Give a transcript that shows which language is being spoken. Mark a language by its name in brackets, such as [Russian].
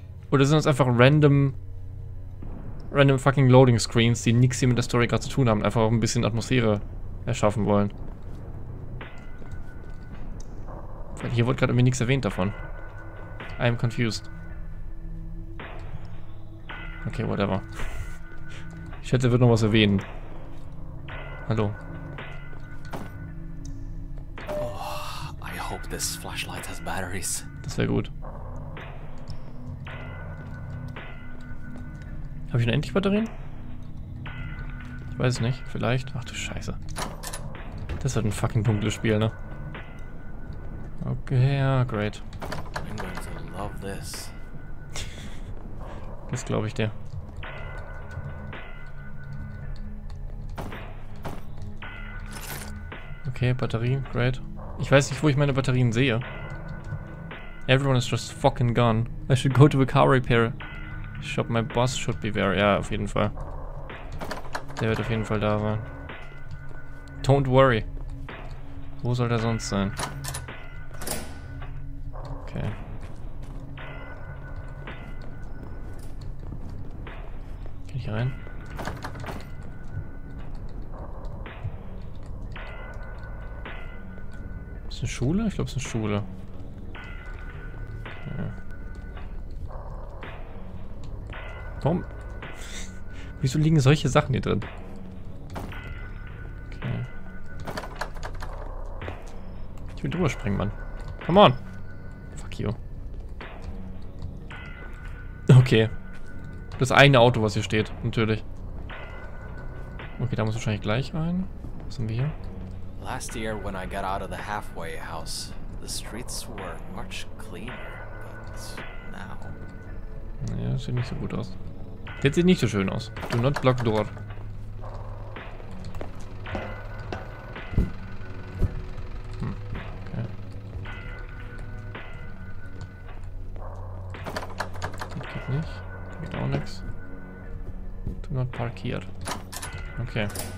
[German] Oder sind das einfach random fucking Loading Screens, die nichts hier mit der Story gerade zu tun haben, einfach auch ein bisschen Atmosphäre erschaffen wollen? Weil hier wurde gerade irgendwie nichts erwähnt davon. [English] I'm confused. [German] Okay, whatever. Ich schätze, er wird noch was erwähnen. Hallo. [English] Oh, I hope this flashlight has batteries. [German] Das wäre gut. Habe ich denn endlich Batterien? Ich weiß es nicht. Vielleicht. Ach du Scheiße. Das wird ein fucking dunkles Spiel, ne? Okay, ja, great. [English] I'm going to love this. [German] Das glaube ich dir. Okay, Batterie, great. Ich weiß nicht, wo ich meine Batterien sehe. [English] Everyone is just fucking gone. I should go to the car repair shop. My boss should be there. [German] Ja, auf jeden Fall. Der wird auf jeden Fall da sein. [English] Don't worry. [German] Wo soll der sonst sein? Okay. Kann ich hier rein? Ist eine Schule? Ich glaube, es ist eine Schule. Ja. Warum? Wieso liegen solche Sachen hier drin? Okay. Ich will drüber springen, Mann. [English] Come on! Fuck you. [German] Okay. Das eine Auto, was hier steht, natürlich. Okay, da muss wahrscheinlich gleich rein. Was haben wir hier? [English] Last year, when I got out of the halfway house, the streets were much cleaner, but now... [German] Ja, sieht nicht so gut aus. Jetzt sieht nicht so schön aus. [English] Do not block door. Okay. [German] Das geht nicht. Das geht auch nix. [English] Do not park here. [German] Okay.